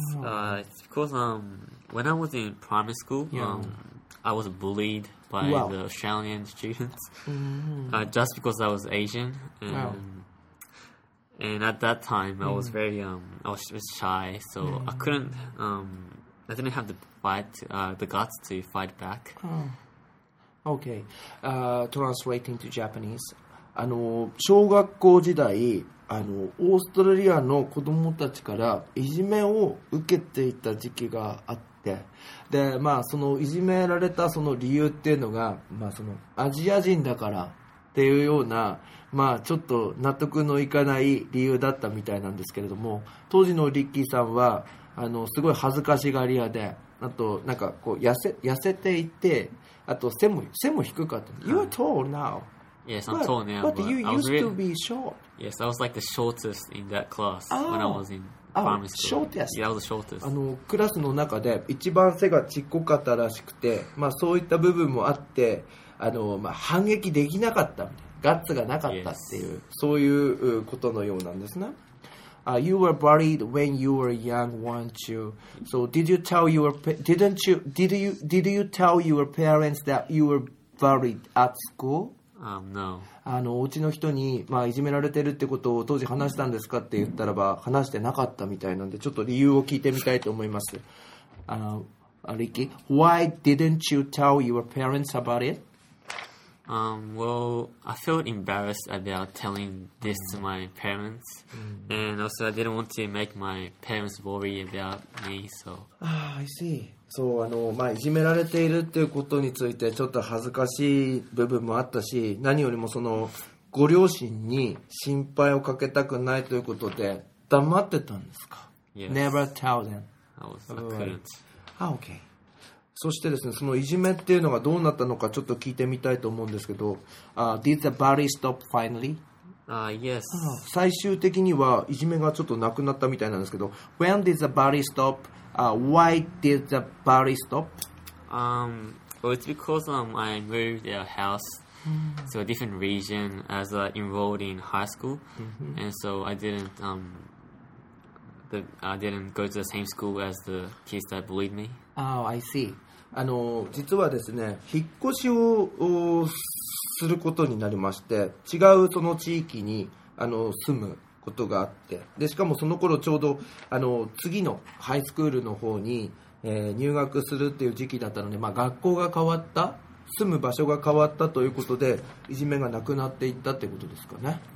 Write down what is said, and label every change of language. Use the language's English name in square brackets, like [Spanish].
[English] It's because when I was in primary school, I was bullied by the Australian students just because I was Asian. And at that time, I was very, I was just shy, so I couldn't, I didn't have the guts to fight back. Oh. Okay, translating to Japanese. [Japanese] 小学校時代、オーストラリアの子供たちからいじめを受けていた時期があって、て、で、まあ、そのいじめられたその理由っていうのが、まあ、そのアジア人だからっていうような、まあ、ちょっと納得のいかない理由だったみたいなんですけれども、当時のリッキーさんはあのすごい恥ずかしがり屋で、あとなんかこう痩せていて、あと背も低かった。 [English] You're tall now. Yes, I'm tall now. But you used to be short. Yes, I was like the shortest in that class when I was in primary school. Shortest. Yeah, I was the shortest. [Japanese] あのクラスの中で一番背がちっこかったらしくて、まあそういった部分もあって、あのまあ反撃できなかった、ガッツがなかったっていう、そういうことのようなんですね。 [English] You were bullied when you were young, weren't you? So did you tell your parents that you were bullied at school? No. [Japanese] あのお家の人に、まあ、いじめられてるってことを当時話したんですかって言ったらば、話してなかったみたいなんで、ちょっと理由を聞いてみたいと思います。 [English] Ricky, why didn't you tell your parents about it? Well, I felt embarrassed about telling this to my parents. Mm. And also, I didn't want to make my parents worry about me, so. Ah, I see. So, [Japanese] あの、まあ、いじめられているっていうことについて、ちょっと恥ずかしい部分もあったし、何よりもその、ご両親に心配をかけたくないということで、黙ってたんですか? [English] Yes. Never tell them. I couldn't. Ah, okay. [Japanese] そしてですね、そのいじめっていうのがどうなったのかちょっと聞いてみたいと思うんですけど、 [English] Did the bully stop finally? Yes. [Japanese] 最終的にはいじめがちょっとなくなったみたいなんですけど、 [English] When did the bully stop? Why did the bully stop? Well, it's because I moved their house to a different region as I enrolled in high school, and so I didn't go to the same school as the kids that bullied me. Oh, I see. [Japanese] あの実はですね、引っ越しをすることになりまして、違うその地域にあの住むことがあって、でしかもその頃ちょうどあの次のハイスクールの方に、入学するっていう時期だったので、まあ、学校が変わった、住む場所が変わったということで、いじめがなくなっていったってことですかね。